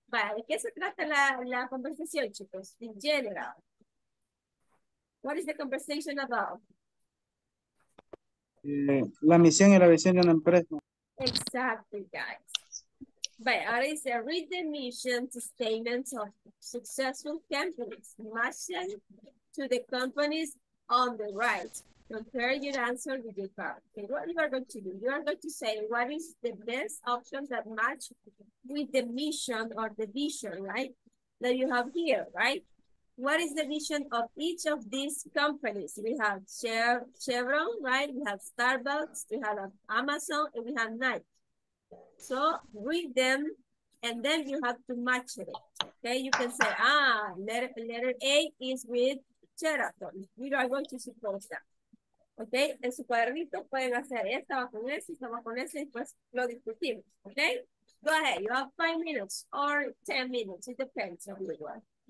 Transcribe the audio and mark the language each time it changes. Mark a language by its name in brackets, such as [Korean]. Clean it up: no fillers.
[Spanish] Vale, ¿de qué se trata la conversación, chicos? [English] In general. What is the conversation about? [Spanish] La misión y la visión de una empresa. [English] Exactly, guys. [Spanish] Vale, ahora dice, [English] read the mission statements of successful companies. Mission to the companies on the right. Compare your answer with your part. Okay, what you are going to do? You are going to say what is the best option that match with the mission or the vision, right? That you have here, right? What is the vision of each of these companies? We have Chevron, right? We have Starbucks, we have Amazon, and we have Nike. So read them, and then you have to match it. Okay, you can say, letter A is with Chevron. We are going to suppose that. [Spanish] Okay, en su cuadernito pueden hacer esta va con ese y pues lo discutimos. [English] Okay, go ahead, you have 5 minutes or 10 minutes, it depends on which one.